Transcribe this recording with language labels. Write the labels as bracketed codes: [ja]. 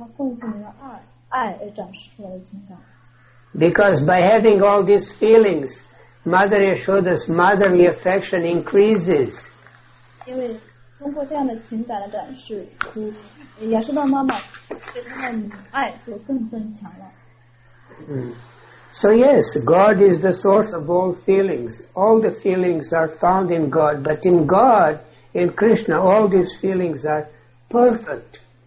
[zh] 这个并不是一种自私的情感，而是基于对他奉献的爱而展示出来的情感。 [en] Because by having all these feelings, Mother Yashoda's motherly affection increases. [zh] 因为通过这样的情感的展示，亚瑟的妈妈对他的爱就更增强了。 [en] So yes, God is the source of all feelings. All the feelings are found in God. But in God, in Krishna, all these feelings are perfect.